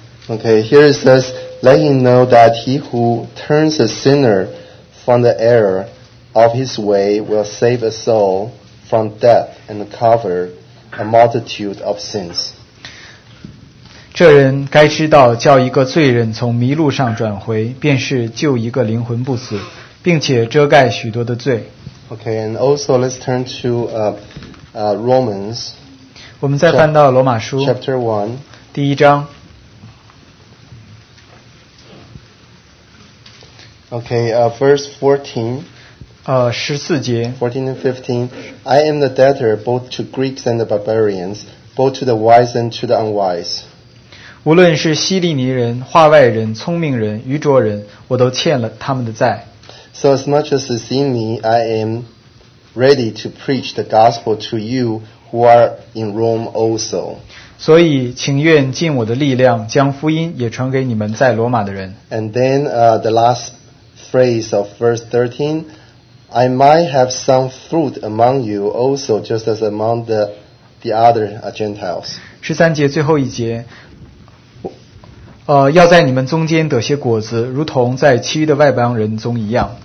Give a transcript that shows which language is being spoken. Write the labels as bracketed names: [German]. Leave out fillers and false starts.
[English] Okay, here it says, Let him know that he who turns a sinner from the error of his way will save a soul from death and cover a multitude of sins. [Chinese] 这人该知道叫一个罪人从迷路上转回便是救一个灵魂不死并且遮盖许多的罪 [English] Okay, and also let's turn to Romans [Chinese] 我们再翻到罗马书 [English] Chapter 1 [Chinese] 第一章 [English] Okay, verse 14 [Chinese] 十四节 [English] 14 and 15 I am the debtor both to Greeks and the barbarians both to the wise and to the unwise [Chinese] 无论是希利尼人、化外人、聪明人、愚拙人，我都欠了他们的债。 [English] So as much as is in me, I am ready to preach the gospel to you who are in Rome also. [Chinese] 所以，请愿尽我的力量，将福音也传给你们在罗马的人。 [English] And then, the last phrase of verse 13, I might have some fruit among you also, just as among the other Gentiles. [Chinese] 十三节最后一节。要在你们中间得些果子，如同在其余的外邦人中一样。